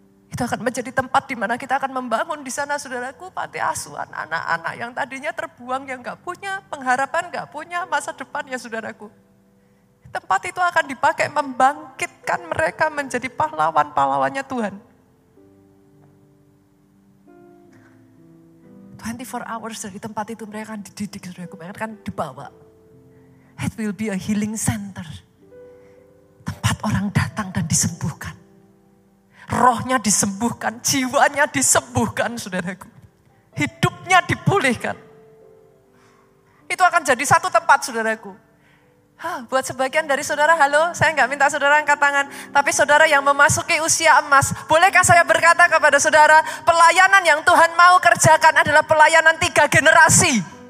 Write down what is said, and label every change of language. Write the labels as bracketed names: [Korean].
[Indonesian] Itu akan menjadi tempat di mana kita akan membangun di sana, saudaraku, panti asuhan anak-anak yang tadinya terbuang, yang gak punya pengharapan, gak punya masa depan, ya saudaraku. Tempat itu akan dipakai membangkitkan mereka menjadi pahlawan-pahlawannya Tuhan. [English] 24 hours [Indonesian] dari tempat itu mereka akan dididik, saudaraku, mereka akan dibawa. [English] It will be a healing center. [Indonesian] Tempat orang datang dan disembuhkan. Rohnya disembuhkan, jiwanya disembuhkan, saudaraku. Hidupnya dipulihkan. Itu akan jadi satu tempat, saudaraku. Buat sebagian dari saudara, halo, saya enggak minta saudara angkat tangan. Tapi saudara yang memasuki usia emas, bolehkah saya berkata kepada saudara, pelayanan yang Tuhan mau kerjakan adalah pelayanan 3 generasi.